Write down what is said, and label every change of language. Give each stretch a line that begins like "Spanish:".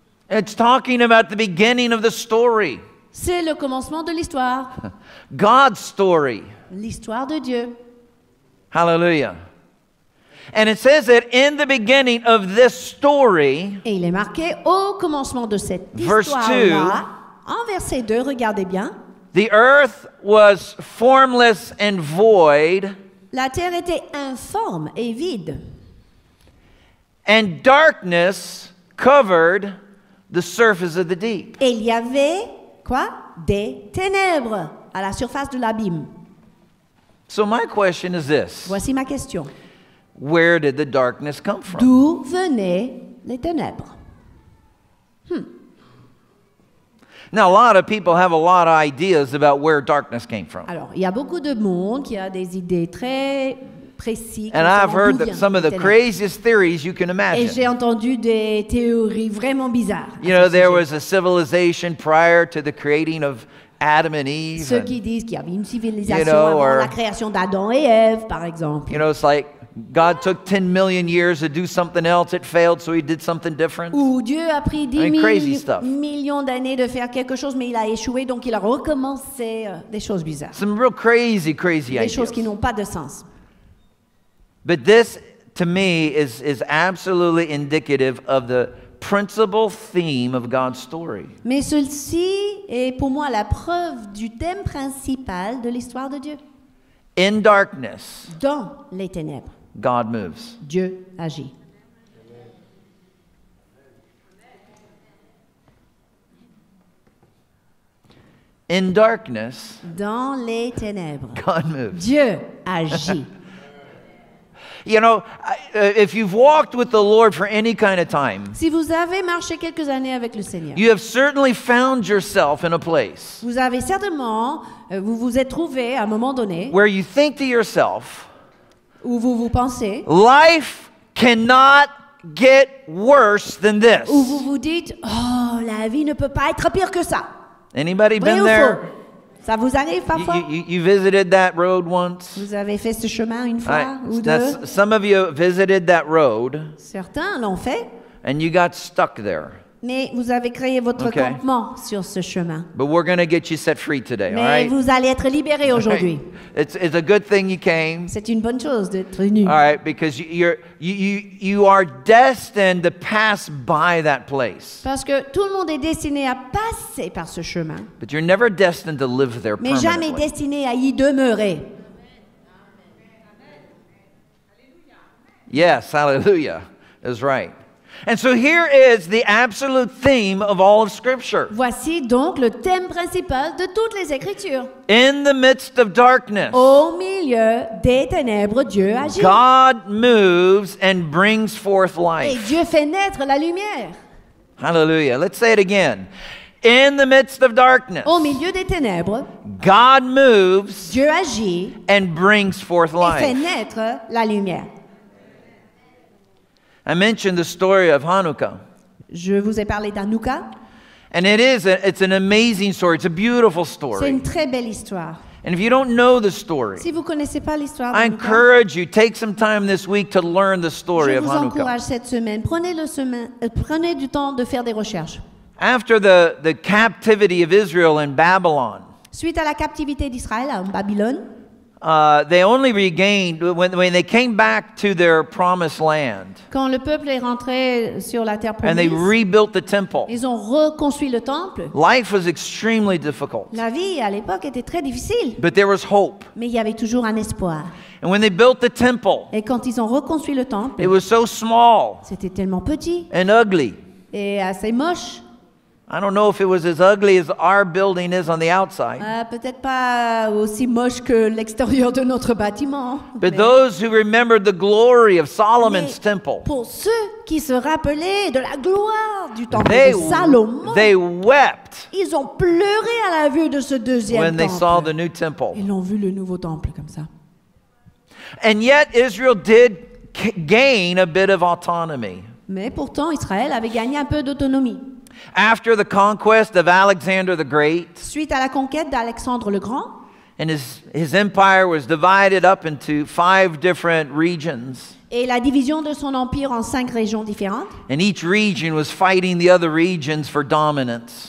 English: It's talking about the beginning of the story.
French: C'est le commencement de l'histoire.
English: God's story.
French: L'histoire de Dieu.
English: Hallelujah. And it says that in the beginning of this story.
French: Et il est marqué au commencement de cette histoire-là.
English: Verse 2.
French: En verset 2, regardez bien.
English: The earth was formless and void.
French: La terre était informe et vide.
English: And darkness covered the surface of the deep.
French: Et il y avait quoi? Des ténèbres à la surface de l'abîme.
English: So my question is this.
French: Voici ma question.
English: Where did the darkness come from?
French: D'où venaient les ténèbres?
English: Now, a lot of people have a lot of ideas about where darkness came from.
French: Alors, il y a beaucoup de monde qui a des idées très précises.
English: And I've heard some of the craziest theories you can imagine.
French: Et j'ai entendu des théories vraiment bizarres.
English: You know, there was a civilization prior to the creating of Adam and Eve.
French: Ceux qui disent qu'il y avait une civilisation avant la création d'Adam et Ève, par exemple.
English: You know, it's like God took 10 million years to do something else. It failed, so he did something different.
French: Ou Dieu a pris 10 millions d'années de faire quelque chose, mais il a échoué, donc il a recommencé des choses bizarres.
English: Some real crazy ideas.
French: Des choses qui n'ont pas de sens.
English: But this to me is absolutely indicative of the principal theme of God's story.
French: Mais celle-ci est pour moi la preuve du thème principal de l'histoire de Dieu.
English: In darkness,
French: dans les ténèbres,
English: God moves.
French: Dieu agit.
English: In darkness,
French: dans les ténèbres,
English: God moves.
French: Dieu agit.
English: You know, if you've walked with the Lord for any kind of time,
French: si vous avez marché quelques années avec le Seigneur,
English: you have certainly found yourself in a place.
French: Vous avez certainement, vous vous êtes trouvé à un moment donné,
English: where you think to yourself,
French: où vous vous pensez,
English: life cannot get worse than this.
French: Où vous vous dites, oh, la vie ne peut pas être pire que ça.
English: Anybody
French: vrai
English: been there?
French: Ça vous arrive parfois?
English: You visited that road once.
French: Vous avez fait ce chemin une fois ou deux.
English: Some of you visited that road.
French: Certains l'ont fait.
English: And you got stuck there.
French: Mais vous avez créé votre okay. campement sur ce chemin.
English: But we're going to get you set free today,
French: Mais
English: all right?
French: Vous allez être libéré aujourd'hui.
English: Right. It's a good thing you came.
French: C'est une bonne chose d'être venu.
English: All right, because you are destined to pass by that place.
French: Parce que tout le monde est destiné à passer par ce chemin.
English: But you're never destined to live there permanently.
French: Mais jamais destiné à y demeurer.
English: Yes, hallelujah. Is right. And so here is the absolute theme of all of Scripture.
French: Voici donc le thème principal de toutes les Écritures.
English: In the midst of darkness,
French: au milieu des ténèbres, Dieu agit.
English: God moves and brings forth life.
French: Et Dieu fait naître la lumière.
English: Hallelujah. Let's say it again. In the midst of darkness,
French: au milieu des ténèbres,
English: God moves,
French: Dieu agit,
English: and brings forth life.
French: Et fait naître la lumière.
English: I mentioned the story of Hanukkah.
French: Je vous ai parlé d'Hanukkah.
English: And it's an amazing story. It's a beautiful story.
French: C'est une très belle histoire.
English: And if you don't know the story,
French: si vous connaissez pas l'histoire,
English: I encourage you, take some time this week to learn the story of Hanukkah.
French: Je vous encourage cette semaine. Prenez du temps de faire des recherches.
English: After the captivity of Israel in Babylon,
French: suite à la captivité d'Israël en Babylone,
English: They only regained when they came back to their promised land.
French: Quand le peuple est rentré sur la terre promise,
English: and they rebuilt the temple.
French: Ils ont reconstruit le temple.
English: Life was extremely difficult.
French: La vie à l'époque était très difficile.
English: But there was hope.
French: Mais il y avait toujours un espoir.
English: And when they built the temple,
French: et quand ils ont reconstruit le temple,
English: it was so small.
French: C'était tellement petit.
English: And ugly.
French: Et assez moche.
English: I don't know if it was as ugly as our building is on the outside.
French: Peut-être pas aussi moche que l'extérieur de notre bâtiment.
English: But those who remembered the glory of Solomon's
French: mais
English: temple.
French: Pour ceux qui se rappelaient de la gloire du temple de Salomon.
English: They wept.
French: Ils ont pleuré à la vue de ce deuxième temple.
English: When they saw the new temple.
French: Ils ont vu le nouveau temple comme ça.
English: And yet Israel did gain a bit of autonomy.
French: Mais pourtant Israël avait gagné un peu d'autonomie.
English: After the conquest of Alexander the Great,
French: suite à la conquête d'Alexandre le Grand,
English: and his empire was divided up into five different regions.
French: Et la division de son empire en cinq régions différentes.
English: And each region was fighting the other regions for dominance.